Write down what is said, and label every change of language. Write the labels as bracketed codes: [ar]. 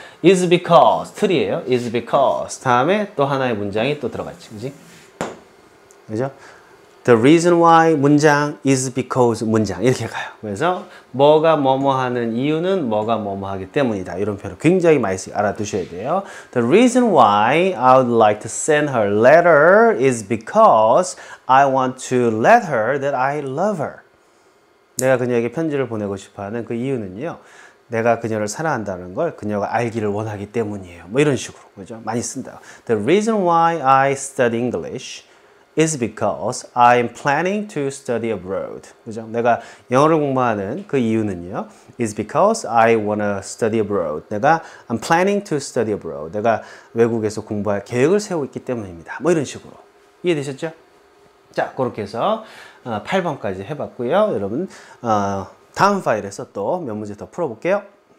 [en] is because, [ko] 틀이에요. [en] is because. [ko] 다음에 또 하나의 문장이 또 들어갔지. 그지? 그죠? [en] the reason why [ko] 문장 [en] is because [ko] 문장. 이렇게 가요. 그래서 뭐가 뭐뭐 하는 이유는 뭐가 뭐뭐 하기 때문이다. 이런 표현을 굉장히 많이 알아두셔야 돼요. [en] the reason why I would like to send her letter is because I want to let her that I love her. [ko] 내가 그녀에게 편지를 보내고 싶어하는 그 이유는요. 내가 그녀를 사랑한다는 걸 그녀가 알기를 원하기 때문이에요. 뭐 이런 식으로. 그죠? 많이 쓴다. [en] The reason why I study English is because I'm planning to study abroad. [ko] 그죠? 내가 영어를 공부하는 그 이유는요. [en] is because I wanna study abroad. [ko] 내가 [en] I'm planning to study abroad. [ko] 내가 외국에서 공부할 계획을 세우고 있기 때문입니다. 뭐 이런 식으로. 이해되셨죠? 자, 그렇게 해서 8번까지 해봤고요. 여러분, 다음 파일에서 또 몇 문제 더 풀어볼게요.